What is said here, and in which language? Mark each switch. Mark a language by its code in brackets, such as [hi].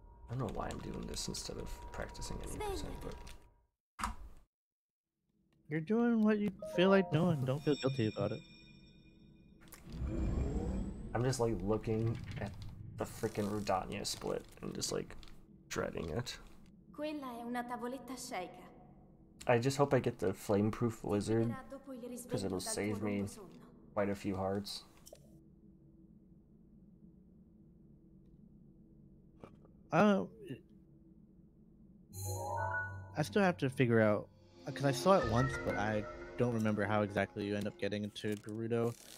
[en] I don't know why I'm doing this instead of practicing 80%, but... You're doing what you feel like doing. Don't feel guilty about it. I'm just, like, looking at the freaking Rudania split and just, like, dreading it. [it] Quella è una tavoletta shaker. [en] I just hope I get the flameproof lizard, because it'll save me quite a few hearts. I still have to figure out, because I saw it once, but I don't remember how exactly you end up getting into Gerudo.